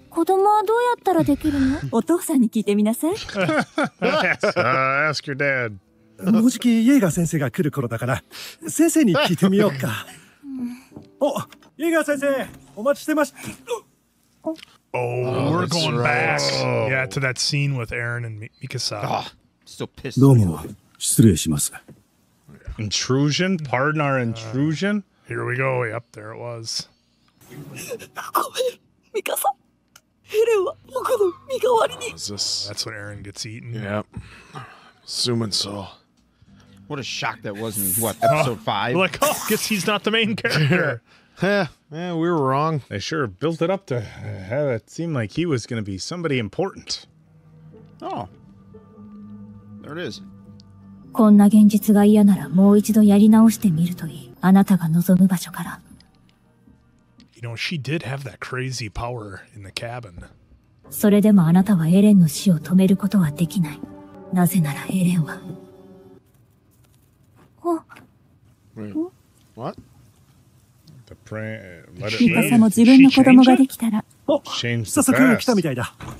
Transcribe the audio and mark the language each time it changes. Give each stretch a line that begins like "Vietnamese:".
Japanese: 子供はどうやったらできるの？お父さんに聞いてみなさい。
English: Ask your dad.
Japanese: もうじきイエイガー先生が来る頃だから先生に聞いてみようか。お、イエイガー先生、お待ちしてます。
English: Oh, we're going back. Yeah, to that scene with Eren and Mikasa.
Japanese: どうも、失礼します。
English: Intrusion? Pardon our intrusion? Here we go. Yep, there it was.
Japanese: ミカサ、エレンは僕の身代わりに。
English: That's when Eren gets eaten. Yep. Assuming so. What a shock that was in, what, episode 5? Like, oh, guess he's not the main character. Yeah, we were wrong. They sure built it up to have it seem like he was going to be somebody important. Oh. There it is.
Japanese: こんな現実が嫌ならもう一度やり直してみるといい。あなたが望む場所から。
English: You know, she did have that crazy power in the cabin.
Japanese: それでもあなたはエレンの死を止めることはできない。なぜならエレンは。お。
English: What? The prank.
Japanese: ミカサも自分の子供ができたら。お。早速来たみたいだ。